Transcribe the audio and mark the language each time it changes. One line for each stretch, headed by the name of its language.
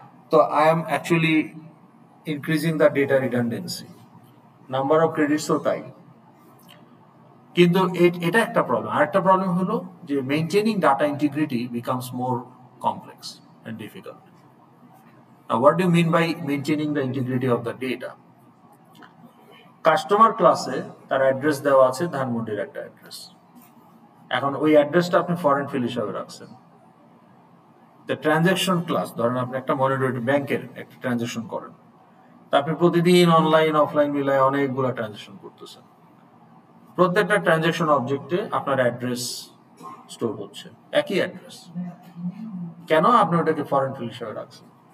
Bangla: তো
English: I am actually increasing the data redundancy,
Bangla: number of ক্রেডিটসও তাই। কিন্তু এটা একটা প্রবলেম। আর একটা প্রবলেম হলো যে
English: Maintaining data integrity becomes more complex and difficult. Now, what do you mean by maintaining the integrity of the data?
Bangla: Customer ক্লাসে তার address দেওয়া আছে ধানমন্ডির একটা অ্যাড্রেস। এখন ওই অ্যাড্রেসটা আপনি ফরেন ফিল হিসাবে রাখছেন।
English: the transaction class,
Bangla: ধরেন আপনি একটা মনিটরিং ব্যাংকের একটা ট্রানজাকশন করেন, তা আপনি প্রতিদিন অনলাইন অফলাইন মিলায় অনেকগুলো ট্রানজাকশন করতেছেন, প্রত্যেকটা ট্রানজাকশন অবজেক্টে আপনার অ্যাড্রেস স্টোর হচ্ছে, একই অ্যাড্রেস, কেন আপনি ওটাকে ফরেন ফিল হিসাবে রাখছেন?